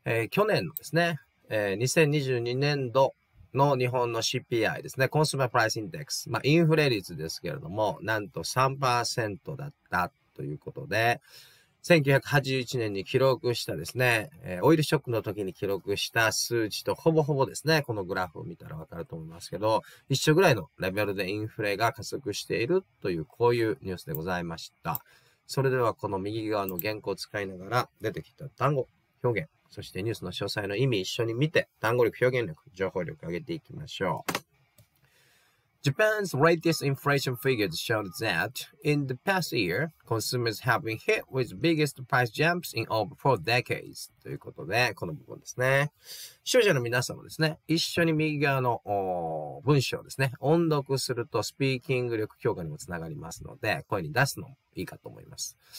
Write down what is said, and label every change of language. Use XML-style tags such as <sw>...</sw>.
<ja>去年のですね、2022年度の日本の CPI ですね、コンスーマープライスインデックス、まあ、インフレ率ですけれども、なんと 3% だったということで、1981年に記録したですね、オイルショックの時に記録した数値とほぼほぼですね、このグラフを見たらわかると思いますけど、一緒ぐらいのレベルでインフレが加速しているというこういうニュースでございました。それではこの右側の原稿を使いながら出てきた単語、表現、そしてニュースの詳細の意味一緒に見て、単語力、表現力、情報力を上げていきましょう。</ja> <en>Japan's latest inflation figures showed that in the past year, consumers have been hit with biggest price jumps in over four decades.</en> <ja>ということで、この部分ですね。視聴者の皆さんもですね、一緒に右側の文章ですね、音読するとスピーキング力強化にもつながりますので、声に出すのもいいかと思います。</ja>